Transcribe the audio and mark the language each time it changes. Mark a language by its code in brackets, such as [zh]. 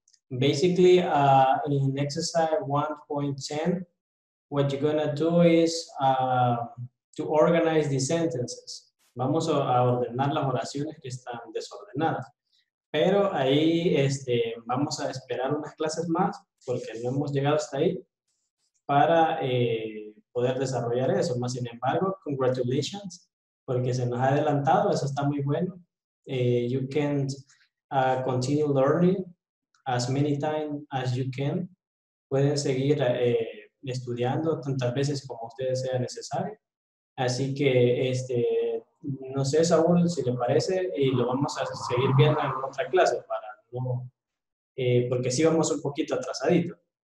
[en] Basically, in exercise 1.10, what you're gonna do is to organize the sentences. [es] Vamos a ordenar las oraciones que están desordenadas. Pero ahí vamos a esperar unas clases más, porque no hemos llegado hasta ahí, para poder desarrollar eso. Más sin embargo, congratulations, porque se nos ha adelantado, eso está muy bueno. [en] You can continue learning as many times as you can. [es] Pueden seguir estudiando tantas veces como ustedes sea necesario. Así que, no sé, Saúl, si le parece, y lo vamos a seguir viendo en otra clase, para no, porque sí vamos un poquito atrasadito.